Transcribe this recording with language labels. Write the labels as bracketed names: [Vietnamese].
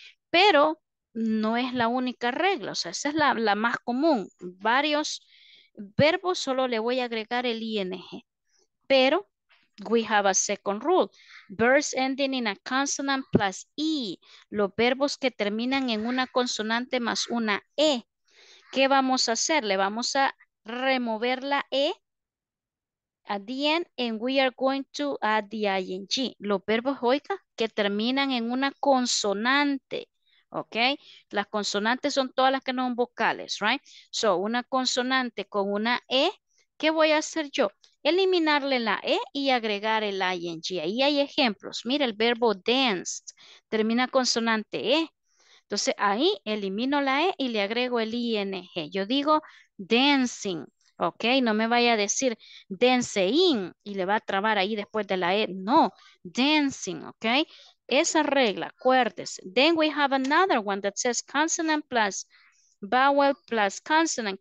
[Spanish] Pero no es la única regla, o sea, esa es la más común. Varios verbos solo le voy a agregar el ing. Pero [English] we have a second rule. Verbs ending in a consonant plus e. [Spanish] Los verbos que terminan en una consonante más una e. ¿Qué vamos a hacer? Le vamos a remover la e [English] at the end, and we are going to add the ing. [Spanish] Los verbos, oiga, que terminan en una consonante, ¿ok? Las consonantes son todas las que no son vocales, [English] right? So, [Spanish] una consonante con una e, ¿qué voy a hacer yo? Eliminarle la e y agregar el ing. Ahí hay ejemplos. Mira, el verbo danced termina consonante e. Entonces, ahí elimino la e y le agrego el ing. Yo digo dancing. Ok, no me vaya a decir dancing y le va a trabar ahí después de la E. No, dancing, ok. Esa regla, acuérdese. [English] Then we have another one that says consonant plus vowel plus consonant.